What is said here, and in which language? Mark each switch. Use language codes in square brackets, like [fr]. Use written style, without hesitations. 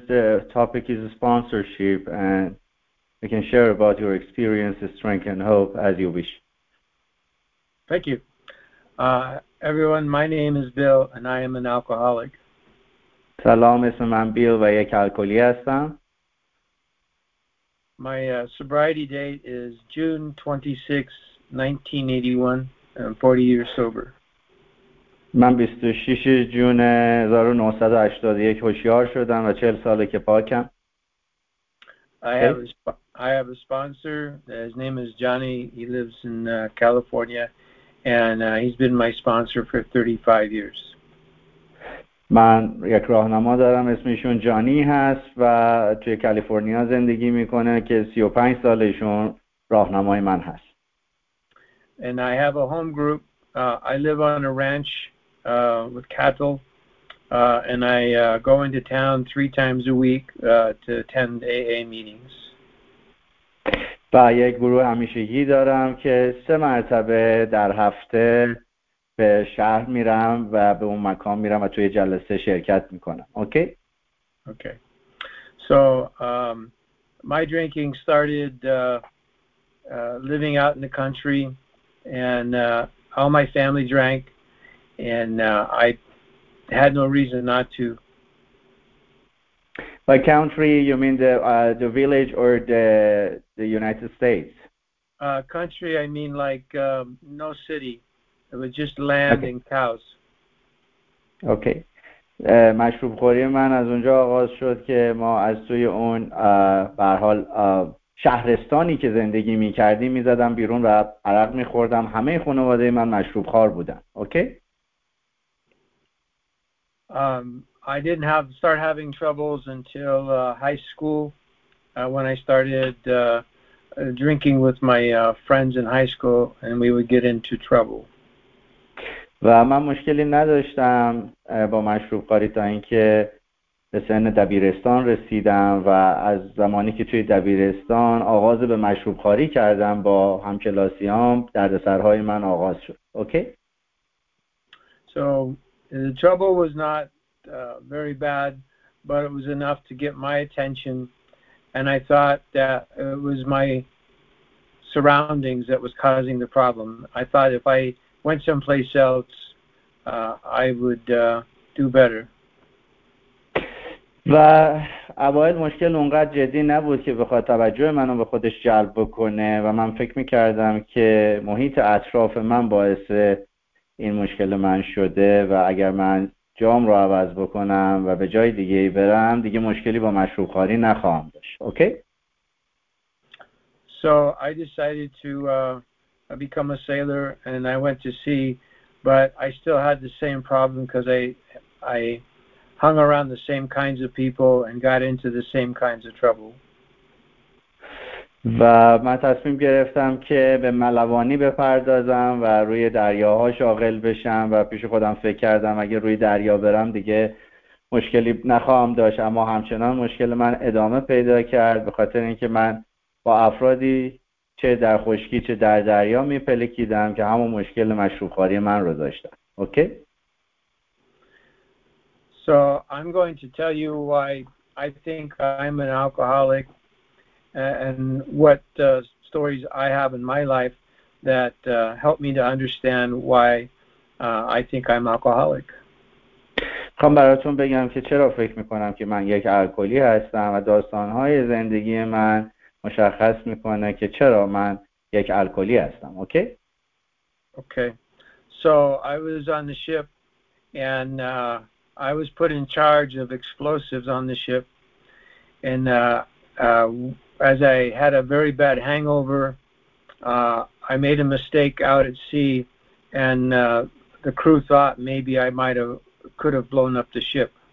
[en] The topic is sponsorship, and we can share about your experiences, strength, and hope as you wish. Thank you. Everyone, my name is Bill, and I am an alcoholic. [fa] Salam, اسم من بیل و یک الکلی هستم. [en] My sobriety date is June 26, 1981, 40 years sober. [fa] من 26 جون 1981 هوشیار شدم و 40 ساله که پاکم. [en] I have a sponsor. His name is Johnny. He lives in California and he's been my sponsor for 35 years. [fa] من یک راهنما دارم، اسمشون جانی هست و توی کالیفرنیا زندگی میکنه که 35 سالشون راهنمای من هست. [en] And I have a home group. I live on a ranch with cattle, and I go into town 3 times a week to attend AA meetings. [fa] با یک گروه همیشگی دارم که 3 مرتبه در هفته به شهر میرم و به اون مکان میرم و توی جلسه شرکت میکنم. [en] Okay. Okay. So my drinking started living out in the country, and all my family drank. And I had no reason not to. By country, you mean the village or the United States? Country, I mean like no city. It was just land okay. And cows. Okay. [fa] مشروب خوری من از اونجا آغاز شد که ما از توی اون برحال شهرستانی که زندگی می کردیم می زدم بیرون و عرق می خوردم. همه خانواده من مشروب خوار بودن. [en] Okay. I didn't start having troubles until high school when I started drinking with my friends in high school and we would get into trouble. [fa] و من مشکلی نداشتم با مشروب خوری تا اینکه به سن دبیرستان رسیدم و از زمانی که توی دبیرستان آغاز به مشروب خوری کردم با همکلاسیام دردسرهای من آغاز شد. [en] Okay? So the trouble was not very bad, but it was enough to get my attention, and I thought that it was my surroundings that was causing the problem. I thought if I went someplace else, I would do better. [fa] و اوایل مشکل اونقدر جدی نبود که بخواد توجه منو به خودش جلب بکنه و من فکر می‌کردم که محیط اطراف من باعث این مشکل من شده و اگر من جام رو عوض بکنم و به جای دیگه برم دیگه مشکلی با مشروب خواری نخواهم داشت. [en] Okay? So I decided to become a sailor and I went to sea, but I still had the same problem because I hung around the same kinds of people and got into the same kinds of trouble. [fa] و من تصمیم گرفتم که به ملوانی بپردازم و روی دریاها شاغل بشم و پیش خودم فکر کردم اگه روی دریا برم دیگه مشکلی نخواهم داشت، اما همچنان مشکل من ادامه پیدا کرد به خاطر اینکه من با افرادی چه در خشکی چه در دریا میپلکیدم که همون مشکل مشروب خواری من رو داشتن. [en] Okay? So I'm going to tell you why I think I'm an alcoholic and what stories I have in my life that help me to understand why I think I'm alcoholic. [fa] خواهم براتون بگم که چرا فکر میکنم که من یک الکلی هستم و داستانهای زندگی من مشخص میکنه که چرا من یک الکلی هستم. [en] Okay? Okay. So I was on the ship and I was put in charge of explosives on the ship and as I had a very bad hangover, I made a mistake out at sea, and the crew thought maybe I could have blown up the ship.